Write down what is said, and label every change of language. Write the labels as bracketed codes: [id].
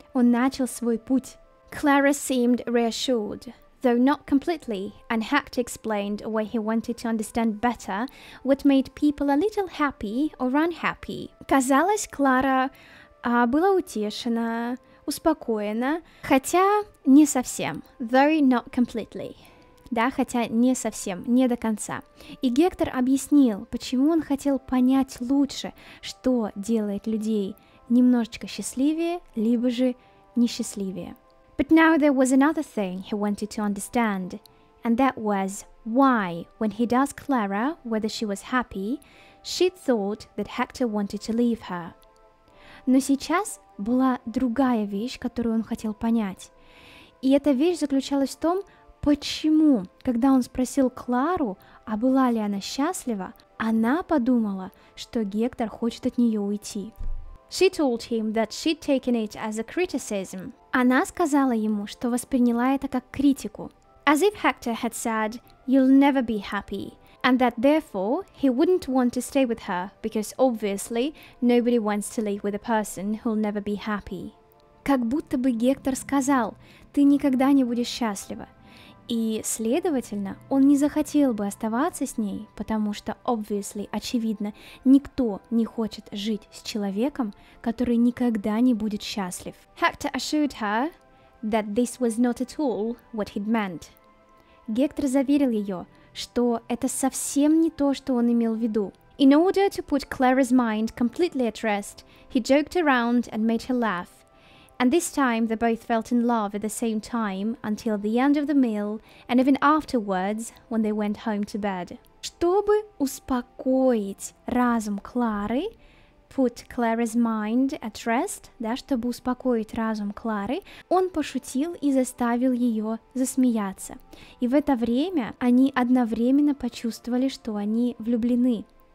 [ru] Он начал свой путь. [en] Clara seemed reassured. Though not completely, and Hector explained why he wanted to understand better what made people a little happy or unhappy. [ru] Казалось, Клара была утешена, успокоена, хотя не совсем. [en] Though not completely. [ru] Да, хотя не совсем, не до конца. И Гектор объяснил, почему он хотел понять лучше, что делает людей немножечко счастливее, либо же несчастливее. [en] But now there was another thing he wanted to understand, and that was why, when he'd asked Clara whether she was happy, she'd thought that Hector wanted to leave her. [ru] Но сейчас была другая вещь, которую он хотел понять. И эта вещь заключалась в том, почему, когда он спросил Клару, а была ли она счастлива, она подумала, что Гектор хочет от нее уйти. [en] She told him that she'd taken it as a criticism. [ru] Она сказала ему, что восприняла это как критику. [en] As if Hector had said, you'll never be happy, and that therefore he wouldn't want to stay with her, because obviously nobody wants to live with a person who'll never be happy. [ru] Как будто бы Гектор сказал, ты никогда не будешь счастлива. И, следовательно, он не захотел бы оставаться с ней, потому что, obviously, очевидно, никто не хочет жить с человеком, который никогда не будет счастлив. [en] Hector assured her that this was not at all what he'd meant. [ru] Гектор заверил ее, что это совсем не то, что он имел в виду. [en] In order to put Clara's mind completely at rest, he joked around and made her laugh. And this time they both felt in love at the same time, until the end of the meal, and even afterwards, when they went home to bed. [ru] Чтобы успокоить разум Клары, [en] put Clara's mind at rest, [ru] да, чтобы успокоить разум Клары, он пошутил и заставил ее засмеяться. И в это время они одновременно почувствовали, что они влюблены.